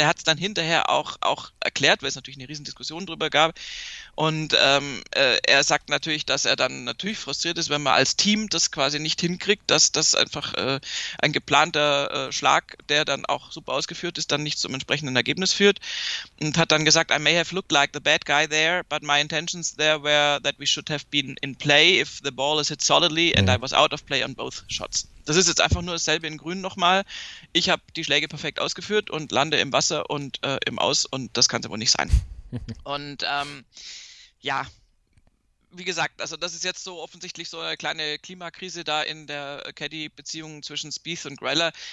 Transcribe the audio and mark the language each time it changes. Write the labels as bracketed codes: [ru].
[de] Er hat es dann hinterher auch erklärt, weil es natürlich eine riesen Diskussion drüber gab. Und er sagt natürlich, dass er dann natürlich frustriert ist, wenn man als Team das quasi nicht hinkriegt, dass das einfach ein geplanter Schlag, der dann auch super ausgeführt ist, dann nicht zum entsprechenden Ergebnis führt. Und hat dann gesagt, [en] I may have looked like the bad guy there, but my intentions there were that we should have been in play if the ball is hit solidly and I was out of play on both shots. [de] Das ist jetzt einfach nur dasselbe in Grün nochmal. Ich habe die Schläge perfekt ausgeführt und lande im Wasser und im Aus und das kann es aber nicht sein. Und ja, wie gesagt, also das ist jetzt so offensichtlich so eine kleine Klimakrise da in der Caddy-Beziehung zwischen Spieth und Greller.